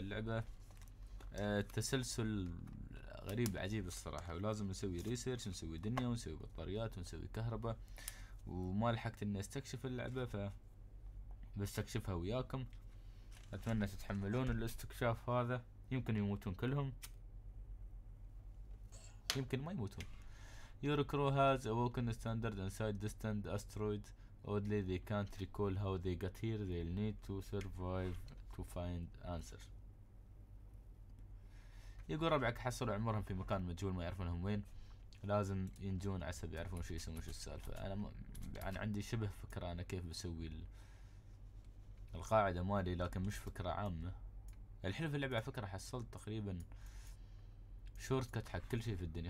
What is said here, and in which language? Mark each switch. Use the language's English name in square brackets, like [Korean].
[Arabic] اللعبة تسلسل غريب عجيب الصراحة، ولازم نسوي ريسيرش، نسوي دنيا، ونسوي بطاريات، ونسوي كهرباء، وما لحقت اني استكشف اللعبة، ف بستكشفها وياكم. اتمنى تتحملون الاستكشاف هذا. يمكن يموتون كلهم، يمكن ما يموتون. [English] Your crew has awoken a standard inside distant asteroid. Oddly, they can't recall how they got here. They'll need to survive to find answer. [Arabic] يقول ربعك حصلوا عمرهم في مكان مجهول ما يعرفون هم وين، لازم ينجون عسى بيعرفون شو يسوون شو السالفة. أنا عندي شبه فكرة أنا كيف بسوي القاعدة مالي، لكن مش فكرة عامة. الحلو في اللعبة على فكرة حصلت تقريبا شورت كات حق كل شيء في الدنيا.